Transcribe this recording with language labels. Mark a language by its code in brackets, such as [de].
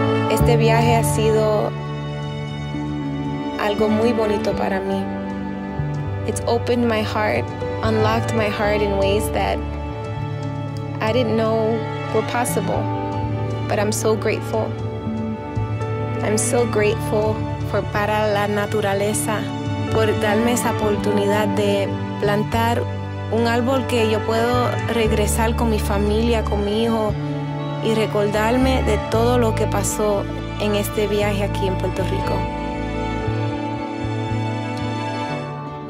[es] Este viaje ha sido algo muy bonito para mí. [en] It's opened my heart, unlocked my heart in ways that I didn't know were possible. But I'm so grateful. I'm so grateful for [es] Para la Naturaleza por darme esa oportunidad de plantar un árbol que yo puedo regresar con mi familia, con mi hijo, y recordarme de todo lo que pasó en este viaje aquí en Puerto Rico.